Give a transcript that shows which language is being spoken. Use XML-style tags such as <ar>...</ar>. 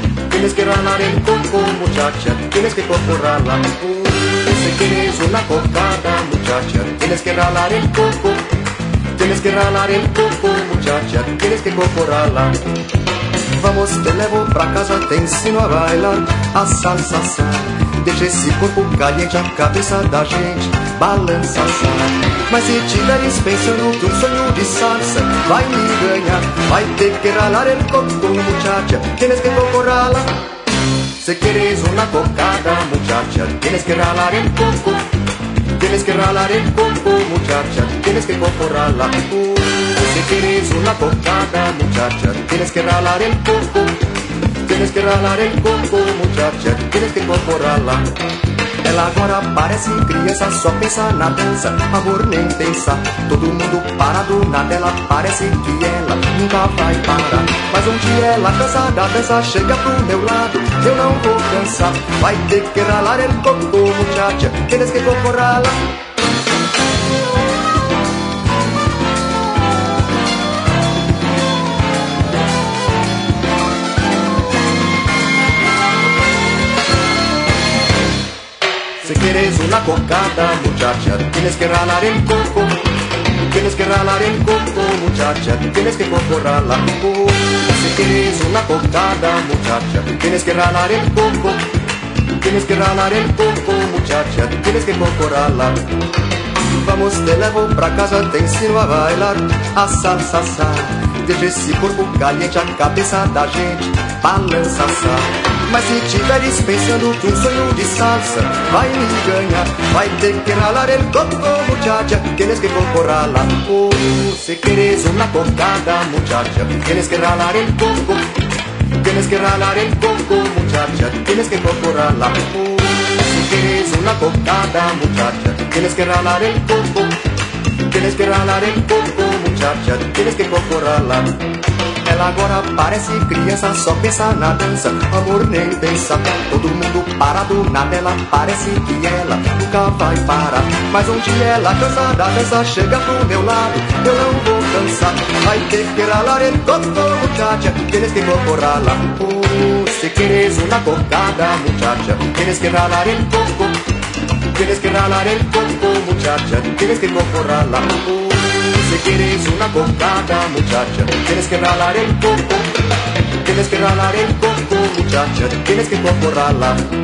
<es>Tienes que ralar el coco, muchacha, tienes que cocorrala. Si quieres una cocada, muchacha, tienes que ralar el coco. Tienes que ralar el coco, muchacha, tienes que cocorrala.</es> <pt>Vamos, te levo pra casa, te ensino a bailar a salsa, sa. Deixa esse corpo caliente, a cabeça da gente balança, sa. Mas se tiveres pensando que um sonho de salsa vai me ganhar, vai ter que</pt> <es>ralar el coco, muchacha, tienes que cocorrala.</es> <pt>Se queres uma cocada,</pt> <es>muchacha, tienes que ralar el coco. Tienes que ralar el coco, muchacha, tienes que cocorrala. Si quieres una cocada, muchacha, tienes que ralar el coco. Tienes que ralar el coco, muchacha, tienes que cocorrala.</es> <pt>Ela agora parece criança, só pensa na dança, amor nem pensa. Todo mundo parado na dela, parece que ela nunca vai parar. Mas um dia ela cansada dessa chega pro meu lado, eu não vou cansar. Vai ter que</pt> <es>ralar el coco, muchacha, tienes que cocorrala. Si quieres una cocada, muchacha, tienes que ralar el coco. Tienes que ralar el coco, muchacha, tienes que cocorrala. Si quieres una cocada, muchacha, tienes que ralar el coco. Tienes que ralar el coco, muchacha, tienes que cocorrala.</es> <pt>Vamos, te levo pra casa, te ensino a bailar a salsa, sa. Deixa esse corpo caliente, a cabeça da gente balança, sa. Mas se tiveres pensando que um sonho de salsa vai me ganhar, vai ter que</pt> <es>ralar el coco, muchacha, tienes que cocorrala.</es> <pt>Se queres uma cocada,</pt> <es>muchacha, tienes que ralar el coco. Tienes que ralar el coco, muchacha, tienes que cocorrala.</es> <pt>Se queres uma cocada,</pt> <es>muchacha, tienes que ralar el coco. Tienes que ralar el coco, muchacha, tienes que cocorrala.</es> <pt>Ela agora parece criança, só pensa na dança, amor nem pensa. Todo mundo parado na dela, parece que ela nunca vai parar. Mas um dia ela cansada dessa chega pro meu lado, eu não vou cansar. Vai ter que</pt> <es>ralar el coco, muchacha, tienes que cocorrala.</es> <pt>Se queres uma cocada,</pt> <es>muchacha, tienes que ralar el coco. Tienes que ralar el coco, muchacha, tienes que cocorrala. Si quieres una cocada, muchacha, tienes que ralar el coco. Tienes que ralar el coco, muchacha, tienes que cocorrala.</es>